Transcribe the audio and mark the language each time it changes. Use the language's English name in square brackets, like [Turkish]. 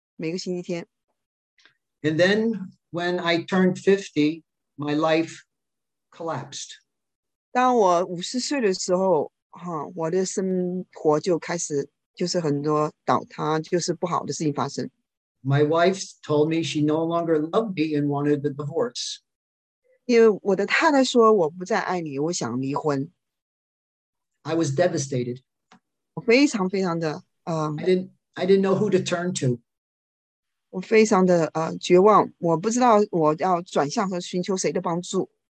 [Chinese] 虽然说我星期天每一次去教会，但是我去是还是不认识耶稣。我虽然有服侍，每个星期天。 [English] And then when I turned 50, my life collapsed. [Chinese] 当我50岁的时候，我的生活就开始就是很多倒塌，就是不好的事情发生。 [English] My wife told me she no longer loved me and wanted the divorce. [Chinese] 因为我的太太说我不再爱你，我想离婚。 [English] I was devastated. [Chinese] 我非常非常的, [English] I didn't know who to turn to. [Chinese] 我非常的, 绝望, 我不知道我要转向和寻求谁的帮助。